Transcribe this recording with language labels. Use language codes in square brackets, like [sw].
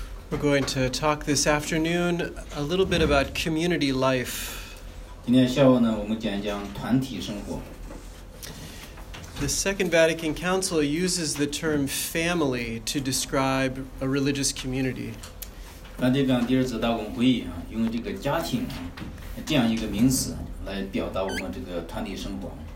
[en] We're going to talk this afternoon a little bit about community life. [zh] 今天下午呢, 我们讲一讲团体生活。 [en] The Second Vatican Council uses the term family to describe a religious community. [zh] 梵蒂冈第二次大公会议啊, 用这个家庭啊, 这样一个名词, 来表达我们这个团体生活。